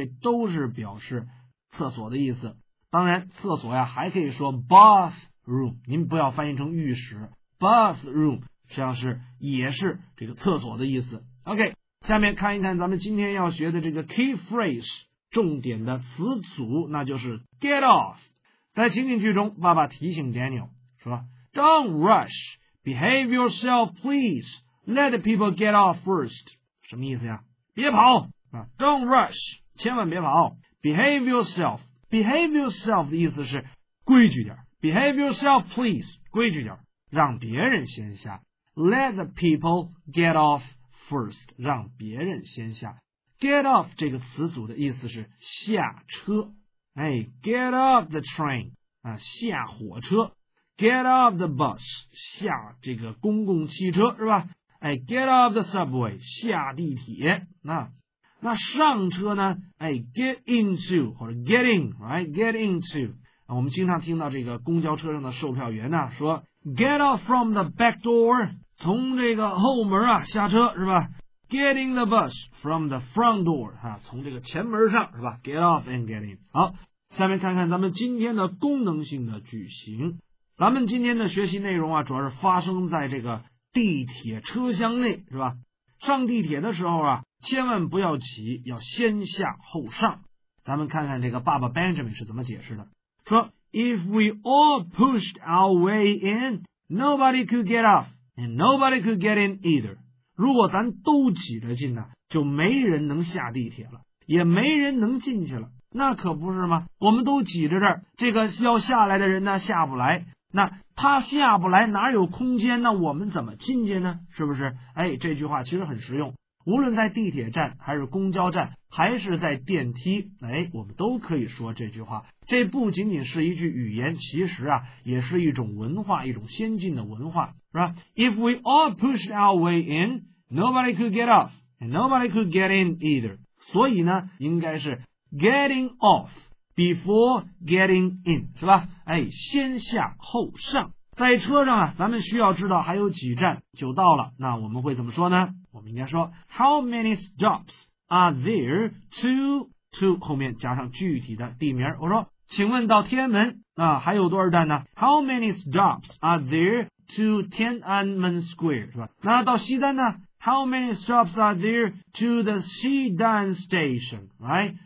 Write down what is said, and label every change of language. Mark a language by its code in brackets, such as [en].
[zh] 这都是表示厕所的意思。当然，厕所呀还可以说 bathroom， 您不要翻译成浴室。 Bathroom 实际上是也是这个厕所的意思。 OK， 下面看一看咱们今天要学的这个 key phrase 重点的词组，那就是 get off。在情景剧中爸爸提醒 Daniel 说 [en] Don't rush behave yourself please let people get off first， [zh] 什么意思呀？别跑啊 [en] Don't rush， [zh] 千万别跑。 [en] behave yourself， behave yourself [zh] 的意思是规矩点， [en] behave yourself please [zh] 规矩点，让别人先下。 [en] Let the people get off first， [zh] 让别人先下。 Get off 这个词组的意思是下车，哎 ， [en] Get off the train [zh] 啊，下火车。 [en] Get off the bus， [zh] 下这个公共汽车，是吧？哎 ， [en] Get off the subway， [zh] 下地铁。那上车呢？ [en] 哎 ，Get into [zh] 或者 [en] Get in， right？ [zh] Get into、啊、我们经常听到这个公交车上的售票员呢说 [en] Get out from the back door， [zh] 从这个后门啊下车，是吧？ [en] Get in the bus from the front door、 [zh] 啊、从这个前门上，是吧？ [en] Get off and get in。 [zh] 好，下面看看咱们今天的功能性的句型。咱们今天的学习内容啊主要是发生在这个地铁车厢内，是吧？上地铁的时候啊千万不要急，要先下后上。咱们看看这个爸爸 Benjamin 是怎么解释的，说 [en] If we all pushed our way in, nobody could get off, and nobody could get in either. [zh] 如果咱都挤着进呢，就没人能下地铁了，也没人能进去了。那可不是吗？我们都挤着这儿，这个要下来的人呢，下不来。那他下不来，哪有空间？那我们怎么进去呢？是不是？哎，这句话其实很实用。无论在地铁站还是公交站还是在电梯，哎，我们都可以说这句话。这不仅仅是一句语言，其实啊也是一种文化，一种先进的文化，是吧？ [en] If we all pushed our way in, nobody could get off and nobody could get in either. [zh] 所以呢应该是 [en] getting off before getting in， [zh] 是吧？哎，先下后上。在车上啊咱们需要知道还有几站就到了，那我们会怎么说呢？我们应该说 [en] How many stops are there to [zh] 后面加上具体的地名，我说请问到天安门啊还有多少站呢？ [en] How many stops are there to Tiananmen Square， [zh] 是吧？那到西单呢？ [en] How many stops are there to the 西单 station， right？